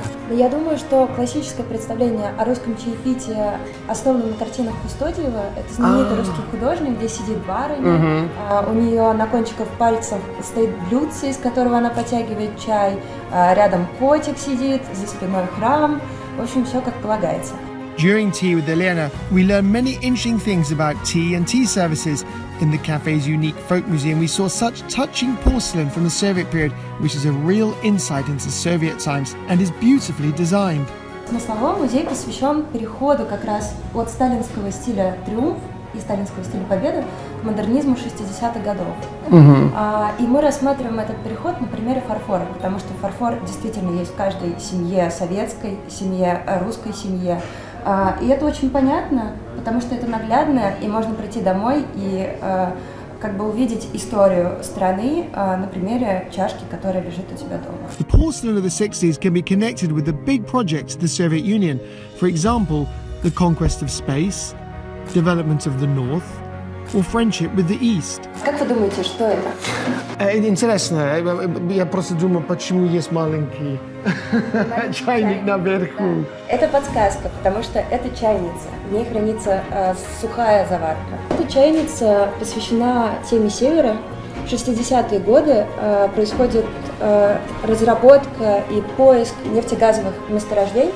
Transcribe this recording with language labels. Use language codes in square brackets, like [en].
[ru] Я думаю, что классическое представление о русском чаепитии, основанном на картинах Пустотьева, это знаменитый русский художник, где сидит барыня, у нее на кончиках пальцев стоит блюдце, из которого она потягивает чай, рядом котик сидит, за спиной храм, в общем, все как полагается. [en] During Tea with Elena, we learned many interesting things about tea and tea services. In the cafe's unique folk museum, we saw such touching porcelain from the Soviet period, which is a real insight into Soviet times and is beautifully designed. [ru] Смысловой музей посвящен переходу как раз от сталинского стиля «Триумф» и сталинского стиля «Победа» к модернизму 60-х годов. И мы рассматриваем этот переход на примере фарфора, потому что фарфор действительно есть в каждой семье, советской семье, русской семье. И это очень понятно, потому что это наглядно, и можно прийти домой и как бы увидеть историю страны на примере чашки, которая лежит у тебя дома. [en] The porcelain of the 60s can be connected with the big projects of the Soviet Union. For example, the conquest of space, development of the North, or friendship with the East. [ru] Как вы думаете, что это? Интересно. Я просто думаю, почему есть маленький чайник наверху. Это подсказка, потому что это чайница. В ней хранится сухая заварка. Эта чайница посвящена теме Севера. В 60-е годы происходит разработка и поиск нефтегазовых месторождений.